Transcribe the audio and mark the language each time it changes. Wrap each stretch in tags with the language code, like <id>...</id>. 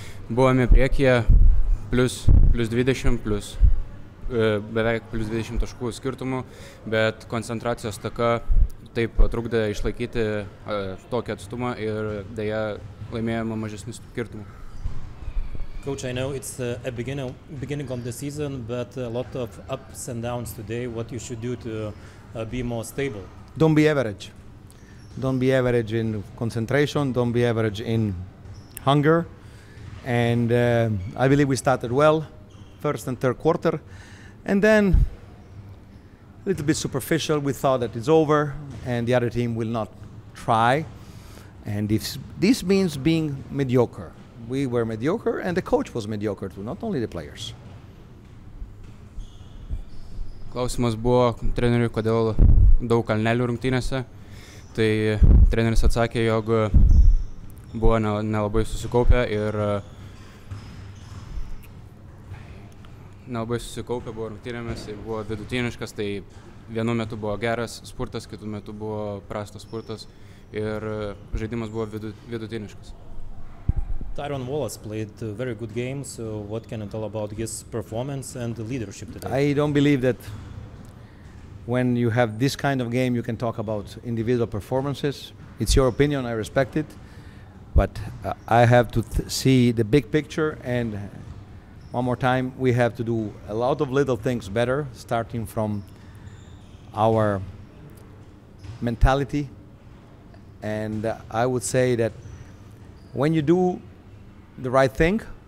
<lt>Buvome priekyje plus 20 taškų skirtumų, bet koncentracijos taka taip trukdė išlaikyti tokį atstumą ir deja laimėjome mažesnį skirtumą.</lt> <en>Coach, I know it's a beginning of the season, but a lot of ups and downs today. What you should do to be more stable? Don't be average. Don't be average in concentration. Don't be average in hunger. And I believe we started well, first and third quarter. And then, a little bit superficial, we thought that it's over and the other team will not try. And if this means being mediocre. We were mediocre and the coach was mediocre too, not only the players.</en> <lt>Klausimas buvo treneriui, kodėl daug kalnelių rungtynėse. Tai treneris atsakė, jog buvo nelabai susikaupę ir nelabai susikaupę buvo rungtynėmis ir buvo vidutiniškas, tai vienu metu buvo geras spurtas, kitu metu buvo prastas spurtas ir žaidimas buvo vidutiniškas.</lt> <en>Tyron Wallace played a very good game, so what can you tell about his performance and leadership today? I don't believe that when you have this kind of game you can talk about individual performances. It's your opinion, I respect it, but I have to see the big picture, and one more time, we have to do a lot of little things better, starting from our mentality, and I would say that when you do the right thing,</en>